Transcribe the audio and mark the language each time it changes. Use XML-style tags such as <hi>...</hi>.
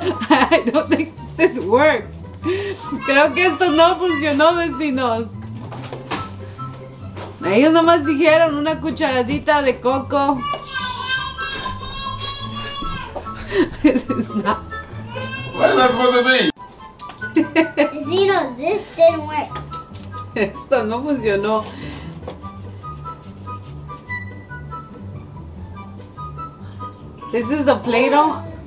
<en>I don't think this worked.</en> <es>Creo que esto no funcionó, vecinos. Ellos nomás dijeron una cucharadita de coco.</es> <en>This is not. What is that supposed to be?</en> <es>Vecinos,</es> <en>this didn't work.</en> <es>Esto no funcionó.</es> <en>This is a Play-Doh.</en>